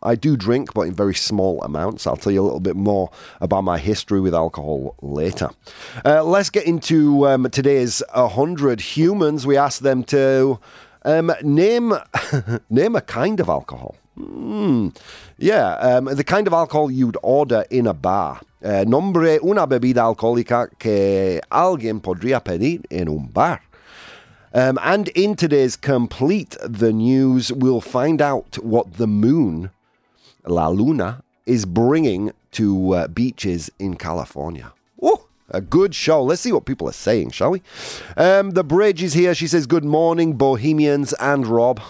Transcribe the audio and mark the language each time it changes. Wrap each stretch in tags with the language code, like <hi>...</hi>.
<en>I do drink, but in very small amounts. I'll tell you a little bit more about my history with alcohol later. Let's get into today's 100 humans. We asked them to name a kind of alcohol. The kind of alcohol you'd order in a bar.</en> <es>Nombre una bebida alcohólica que alguien podría pedir en un bar.</es> <en>And in today's Complete the News, we'll find out what the moon,</en> <es>la luna,</es> <en>is bringing to beaches in California. Ooh, a good show. Let's see what people are saying, shall we? The Bridge is here. She says, good morning, Bohemians and Rob.</en>